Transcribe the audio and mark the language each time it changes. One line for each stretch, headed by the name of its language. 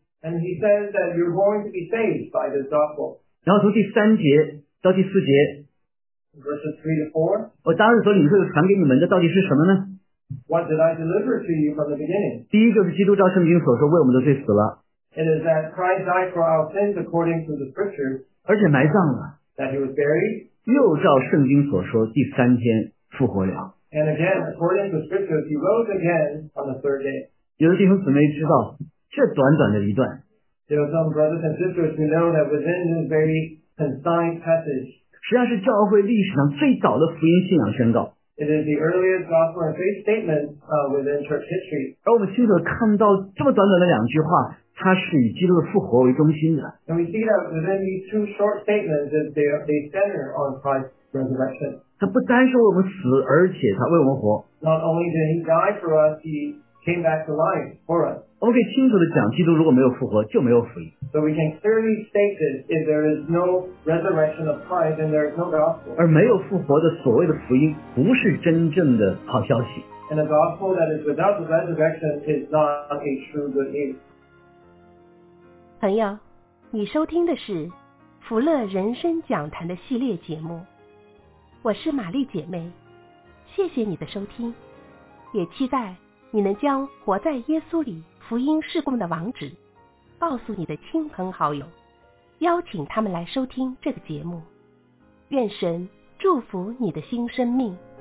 English: And he says that you're going to be saved by this gospel.
Chinese: 然后从第三节到第四节。
English: Verses 3-4.
Chinese: 我当时所领受的传给你们的到底是什么呢？
English: What did I deliver to you from the beginning?
Chinese: 第一个是基督照圣经所说为我们的罪死了。
English: It is that Christ died for our sins according to the scriptures.
Chinese: 而且埋葬了。
English: That he was buried.
Chinese: 又照圣经所说第三天复活了。
English: And again, according to scriptures, he rose again on the third day.
Chinese: 有的弟兄姊妹知道这短短的一段。
English: There are some brothers and sisters who know that within this very concise passage.
Chinese: 实际上是教会历史上最早的福音信仰宣告。
English: It is the earliest gospel and faith statement, within church history.
Chinese: 而我们清楚地看到这么短短的两句话，它是以基督的复活为中心的。
English: And we see that within these two short statements, they center on Christ's resurrection.
Chinese: 他不单是为我们死，而且他为我们活。
English: Not only did he die for us, he came back to life for us.
Chinese: 我们可以清楚地讲，基督如果没有复活，就没有福音。
English: So we can clearly state this, if there is no resurrection of Christ, then there is no gospel.
Chinese: 而没有复活的所谓的福音，不是真正的好消息。
English: And a gospel that is without the resurrection is not a true good news.
Chinese: 朋友，你收听的是福乐人生讲坛的系列节目。我是玛丽姐妹，谢谢你的收听，也期待你能将活在耶稣里福音事工的网址告诉你的亲朋好友，邀请他们来收听这个节目。愿神祝福你的新生命。